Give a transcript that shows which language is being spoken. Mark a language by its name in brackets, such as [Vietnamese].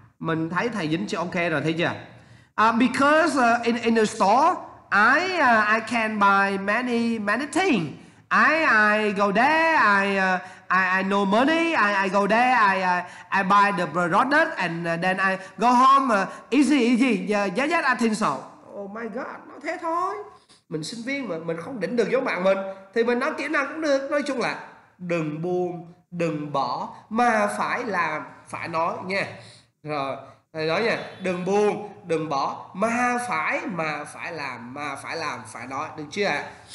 [Vietnamese] Mình thấy thầy dính chữ okay rồi, thấy chưa? [English] Because in the store, I can buy many things. I go there. I no money. I go there. I buy the product and then I go home easy. Yeah, I think so. Oh my god, [Vietnamese] nó thế thôi. Mình sinh viên mà mình không đỉnh được giống bạn mình thì mình nói kiểu nào cũng được. Nói chung là đừng buông, đừng bỏ mà phải làm, phải nói nha. Rồi thầy nói nha, đừng buông, đừng bỏ mà phải làm, phải nói, được chưa ạ?